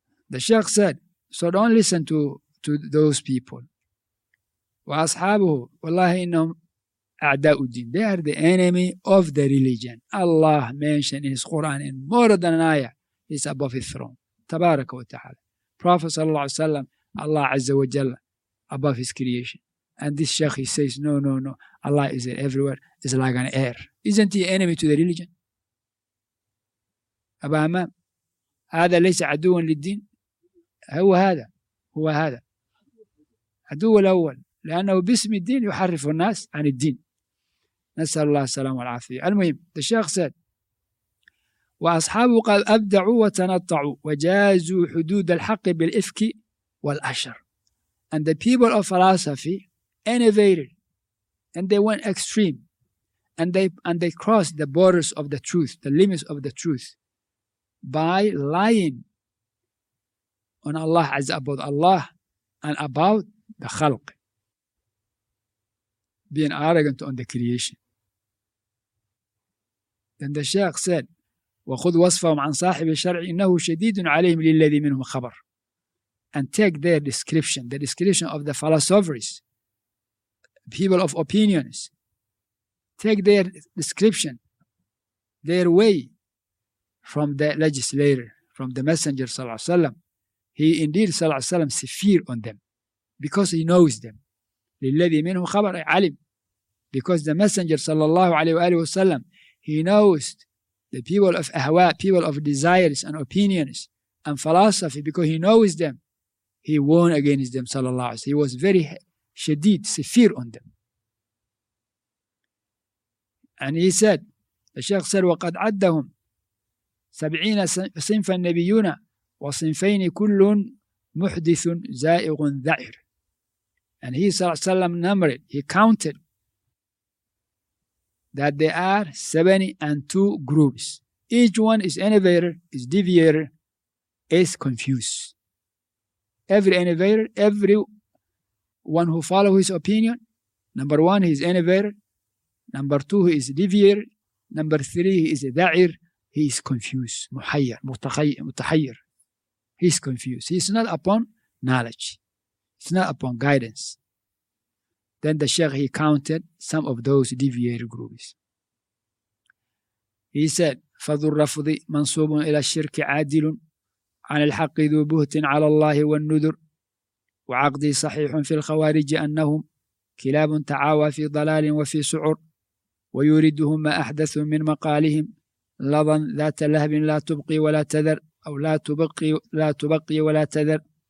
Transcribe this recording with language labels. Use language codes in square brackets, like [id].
[en] The Shaykh said, so don't listen to those people. [ar] وأصحابه والله إنهم أعداء الدين. [en] They are the enemy of the religion. Allah mentioned in his Quran in more than an ayah is above his throne. [ar] تبارك وتعالى. [en] Prophet [ar] صلى الله عليه وسلم الله عز وجل [en] above his creation. And this sheikh, he says, no, no, no. Allah is everywhere. It's like an air. Isn't he enemy to the religion? [ar] Aba Amam. هذا ليس عدوا للدين. هو هذا. هو هذا. عدو الأول. لأنه باسم الدين يحرف الناس عن الدين. نسأل الله السلام والعافية. المهم. الشيخ [en] said, [ar] وأصحابه قد أبدعوا وتنطعوا وجازوا حدود الحق بالإفك والأشر. [en] And the people of philosophy innovated and they went extreme and they crossed the borders of the truth, the limits of the truth, by lying on Allah Azza about Allah and about the khalq, being arrogant on the creation. Then the Shaykh said, [ar] وَخُذْ وَصْفَهُمْ عَنْ صَاحِبِ الشَّرْعِ إِنَّهُ شَدِيدٌ عَلَيْهِمْ لِلَّذِي مِنْهُمْ خَبَرٌ. [en] And take their description, the description of the philosophers, people of opinions. Take their description, their way, from the legislator, from the messenger, sallallahu alayhi wa sallam. He indeed, sallallahu alayhi wa sallam, severe on them, because he knows them. [ar] لِلَّذِي مِنْهُمْ خَبَرٌ عَلِمْ. [en] Because the messenger, sallallahu alayhi wa sallam, he knows the people of ahwa, people of desires and opinions and philosophy, because he knows them, he warned against them, sallallahu alayhi wa sallam. He was very shadid, severe on them. And he said, the Shaykh said, [ar] وَقَدْ عَدَّهُمْ سَبْعِينَ صِنْفَ النَّبِيُّونَ وَصِنْفَيْنِ كُلٌّ مُحْدِثٌ زَائِغٌ ذَعِرٌ. [en] And he, sallallahu alayhi wa sallam, numbered, he counted, that there are 72 groups. Each one is innovator, is deviator, is confused. Every innovator, every one who follow his opinion, number one, he is innovator. Number two, he is deviator. Number three, he is a da'ir. He is confused, muhayyar, mutahayyar. He is confused. He is not upon knowledge. It's not upon guidance. Then the Shaykh, he counted some of those deviated groups. He said, [ar] فَذُ الرَّفُضِ مَنْصُوبٌ إِلَى الشِّرْكِ عَادِلٌ عَنِ الْحَقِّ ذُو بُهْتٍ عَلَى اللَّهِ وَالنُّذُرُ وَعَقْدِي صَحِيحٌ فِي الْخَوَارِجِ أَنَّهُمْ كِلَابٌ تَعَاوَى فِي ضَلَالٍ وَفِي سُعُرٍ وَيُرِدُهُمْ مَا أَحْدَثُ مِنْ مَقَالِهِمْ لَظًا ذَاتَ لَهْبٍ لَا تُبْقِي وَلَا تَذَرْ أَوْ لَا تُبَقِّي وَلَا تَذَرْ